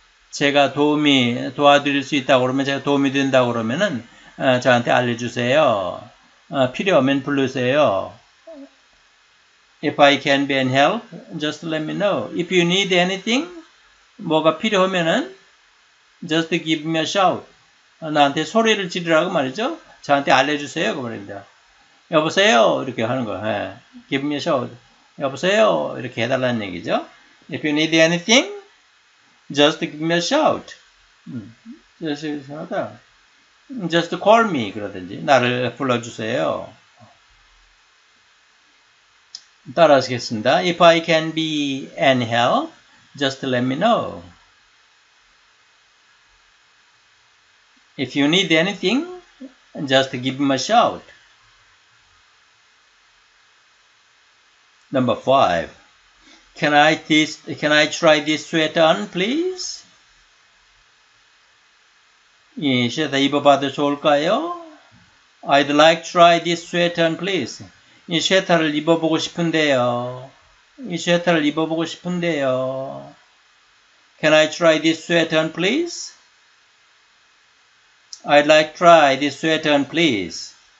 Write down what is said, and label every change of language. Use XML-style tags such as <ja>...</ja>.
<ko>제가 도와드릴 수 있다고 그러면, 제가 도움이 된다고 그러면은, 저한테 알려주세요. 필요하면 부르세요.</ko> <en>If I can be any help, just let me know. If you need anything,</en> <ko>뭐가 필요하면은,</ko> <en>just give me a shout.</en> <ko>나한테 소리를 지르라고 말이죠. 저한테 알려주세요. 그 말입니다. 여보세요? 이렇게 하는 거. 예.</ko> <en>Give me a shout.</en> <ko>여보세요? 이렇게 해달라는 얘기죠.</ko> <en>If you need anything, just give me a shout. Just call me.</en> <ko>그러든지. 나를 불러주세요. 따라하시겠습니다.</ko> <en>If I can be any help, just let me know. If you need anything, just give me a shout. Number five. Can I try this sweater on, please?</en> <ko>이 시에다 입어봐도 좋을까요?</ko> <en>I'd like to try this sweater on, please.</en> <ko>이 스웨터를 입어보고 싶은데요. 이 스웨터를 입어보고 싶은데요.</ko> <en>Can I try this sweater on, please? I'd like to try this sweater on, please.</en>